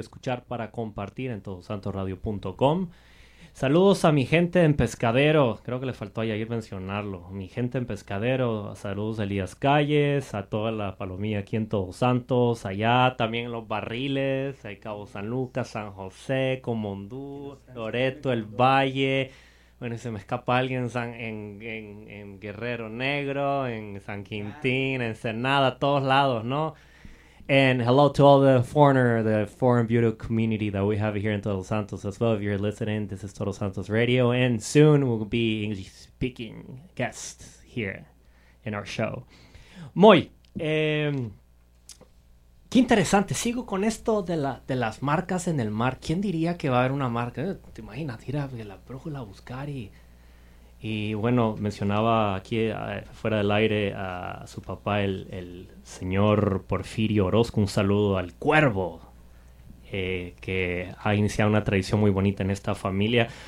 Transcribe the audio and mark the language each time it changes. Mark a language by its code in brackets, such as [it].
[es] Escuchar para compartir en todosantosradio.com. Saludos a mi gente en Pescadero, creo que le faltó a Yair mencionarlo, mi gente en Pescadero, saludos a Elías Calles, a toda la palomilla aquí en Todos Santos, allá también en Los Barriles, ahí Cabo San Lucas, San José, Comondú, Loreto, El Valle, bueno, se me escapa alguien en Guerrero Negro, en San Quintín, en Ensenada, a todos lados, ¿no? [en] And hello to all the foreign beautiful community that we have here in Todos Santos as well. If you're listening, this is Todos Santos Radio, and soon we'll be English-speaking guests here in our show. [es] Moy, qué interesante. Sigo con esto de las marcas en el mar. ¿Quién diría que va a haber una marca? Te imaginas, ir a la brújula a buscar y bueno, mencionaba aquí fuera del aire a su papá, el señor Porfirio Orozco, un saludo al Cuervo, que ha iniciado una tradición muy bonita en esta familia.